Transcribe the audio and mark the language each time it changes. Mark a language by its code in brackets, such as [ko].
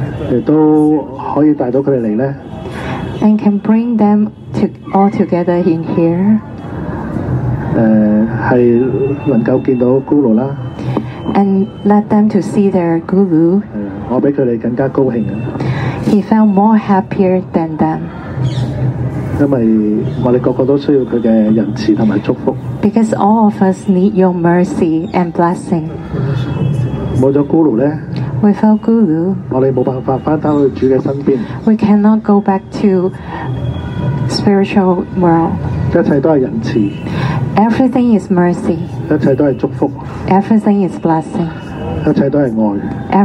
[zh] 也都可以帶到他們來呢 [en] And can bring themTo, all together in here [zh] 是能夠見到 Guru [en] And let them to see their Guru [zh] 我比他們更加高興 [en] He felt more happier than them [zh] 因為我們個個都需要他的仁慈和祝福 [en] Because all of us need your mercy and blessing [zh] 沒了 Guru [en] Without Guru [zh] 我們沒辦法回到主的身邊 [en] We cannot go back to spiritual world [zh] 一切都是仁慈 [en] Everything is mercy [zh] 一切都是祝福 [en] Everything is blessing [zh] 一切都是愛